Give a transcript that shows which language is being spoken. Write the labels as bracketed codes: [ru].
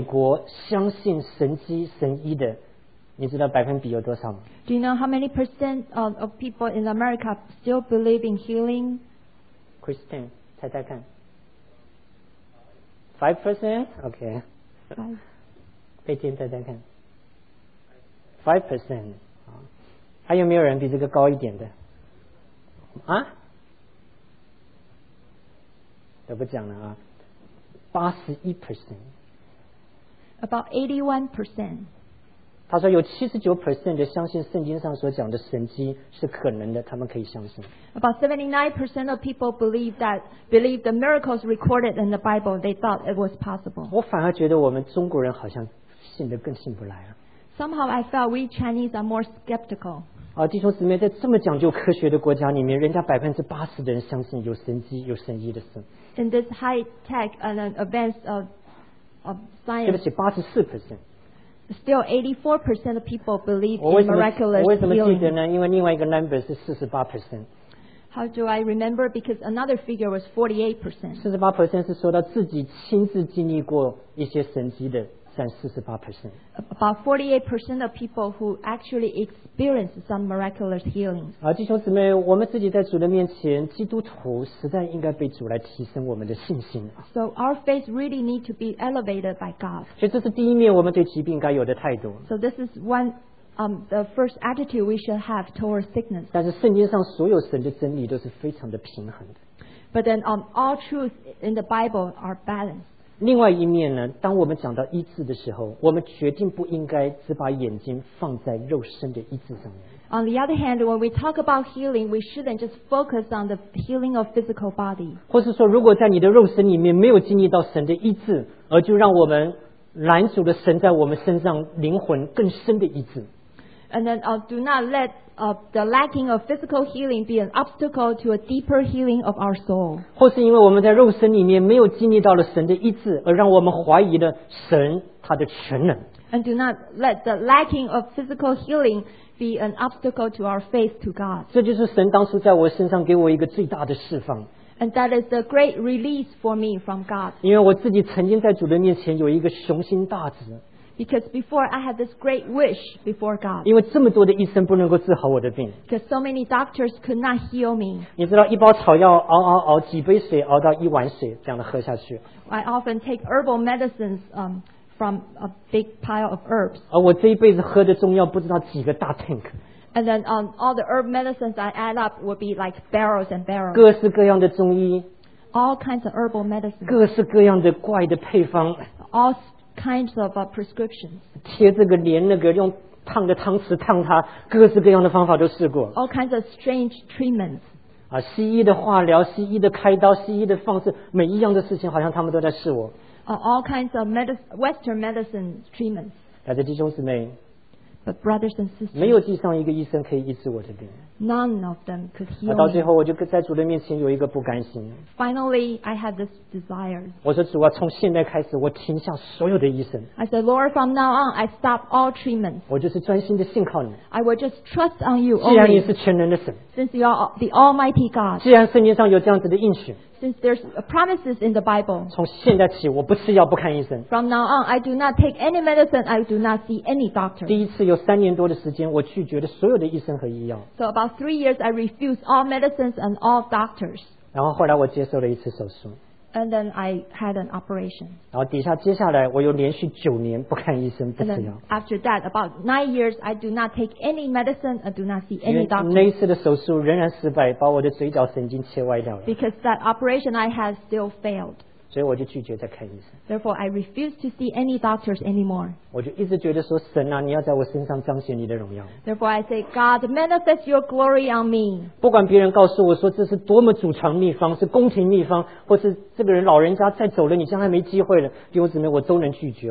[zh] 它里面讲到，在美国相信神迹神医的， 你知道百分比有多少吗？ [en] Do you know how many percent of people in America still believe in healing? [zh] Christian, 猜猜看。 5%? Okay. 贝天，猜猜看。5%. 还有没有人比这个高一点的？都不讲了啊， 81%， [en] about 81%， [zh] 他说有 79% 的相信圣经上所讲的神迹是可能的，他们可以相信。 [en] About 79% of people believe the miracles recorded in the Bible. They thought it was possible. [zh] 我反而觉得我们中国人好像信得更信不来啊。 [en] Somehow I felt we Chinese are more skeptical. [zh] 啊，弟兄姊妹，在这么讲究科学的国家里面，人家80%的人相信有神迹、有神医的事。 [en] In this high-tech and advanced of science. [zh] 对不起，84%。 [en] Still, 84% of people believe in miraculous healing. [zh] 我为什么记得呢？因为另外一个 number 是48%。 [en] How do I remember? Because another figure was 48%. [zh] 48% 是说到自己亲自经历过一些神迹的，占48%。 [en] About 48% of people who actually experienced some miraculous healing. [zh] 啊，弟兄姊妹，我们自己在主的面前，基督徒实在应该被主来提升我们的信心。 [en] So our faith really need to be elevated by God. [zh] 所以这是第一面我们对疾病该有的态度。 [en] So this is one, the first attitude we should have towards sickness. [zh] 但是圣经上所有神的真理都是非常的平衡的。 [en] But then, all truths in the Bible are balanced. [zh] 另外一面呢，当我们讲到医治的时候，我们决定不应该只把眼睛放在肉身的医治上面。 [en] On the other hand, when we talk about healing, we shouldn't just focus on the healing of physical body. [zh] 或是说，如果在你的肉身里面没有经历到神的医治，而就让我们拦阻了神在我们身上灵魂更深的医治。 [en] And then, do not let the lacking of physical healing be an obstacle to a deeper healing of our soul. [zh] 或是因为我们在肉身里面没有经历到了神的医治，而让我们怀疑了神他的全能。 [en] And do not let the lacking of physical healing be an obstacle to our faith to God. [zh] 这就是神当初在我身上给我一个最大的释放。 [en] And that is a great release for me from God. [zh] 因为我自己曾经在主的面前有一个雄心大志。 [en] Because before I had this great wish before God. [zh] 因为这么多的医生不能够治好我的病。 [en] Because so many doctors could not heal me. [zh] 你知道一包草药熬几杯水熬到一碗水这样的喝下去。 [en] I often take herbal medicines from a big pile of herbs. [zh] 而我这一辈子喝的中药不知道几个大 tank. [en] And then all the herb medicines I add up would be like barrels and barrels. [zh] 各式各样的中医。 [en] All kinds of herbal medicines. [zh] 各式各样的怪的配方。 [en] All kinds of prescriptions. [zh] 贴这个连那个用烫的汤匙烫它，各式各样的方法都试过。 [en] All kinds of strange treatments. [zh] 啊，西医的化疗，西医的开刀，西医的放射，每一样的事情好像他们都在试我。 [en] All kinds of Western medicine treatments. [zh] 但是弟兄姊妹 [en] ，But brothers and sisters, [zh] 没有地上一个医生可以医治我的病。 [en] None of them could heal me. [zh] 到最后，我就在主的面前有一个不甘心。 [en] Finally, I had this desire. [zh] 我说主啊，从现在开始，我停下所有的医生。 [en] I said, Lord, from now on, I stop all treatments. [zh] 我就是专心的信靠你。 [en] I will just trust on you only. [zh] 既然你是全能的神。 [en] Since you are the Almighty God. [zh] 既然圣经上有这样子的应许。 [en] Since there's promises in the Bible. [zh] 从现在起，我不吃药，不看医生。 [en] From now on, I do not take any medicine. I do not see any doctor. [zh] 第一次有三年多的时间，我拒绝了所有的医生和医药。 [en] So about 3 years, I refused all medicines and all doctors. [zh] 然后后来我接受了一次手术。 [en] And then I had an operation. [zh] 然后接下来我又连续9年不看医生，不吃药。 [en] And then after that, about 9 years, I do not take any medicine and do not see any doctor. [zh] 那一次的手术仍然失败，把我的嘴角神经切歪掉了。 [en] Because that operation I had still failed. [zh] 所以我就拒绝再看医生。 [en] Therefore, I refused to see any doctors anymore. [zh] 我就一直觉得说，神啊，你要在我身上彰显你的荣耀。 [en] Therefore, I say, God, manifest your glory on me. [zh] 不管别人告诉我说这是多么祖传秘方，是宫廷秘方，或是这个人老人家再走了，你将来没机会了，弟兄姊妹，我都能拒绝。